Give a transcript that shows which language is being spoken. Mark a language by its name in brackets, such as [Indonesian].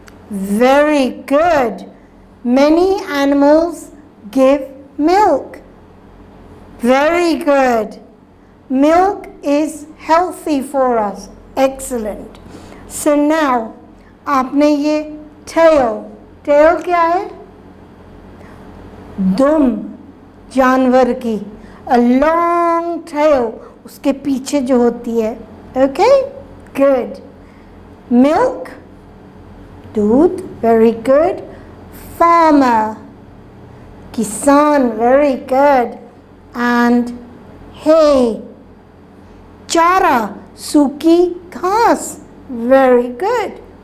[English] Very good. Many animals give milk. Very good. Milk is healthy for us. Excellent. So now, [Hindi] आपने ये tail, tail क्या है? दुम, जानवर की. [English] A long tail, [Hindi] उसके पीछे जो होती है. [English] Okay, good. Milk, दूध, very good. Farmer, किसान, very good. And hay, [Hindi] चारा, सूखी घास, [English] very good.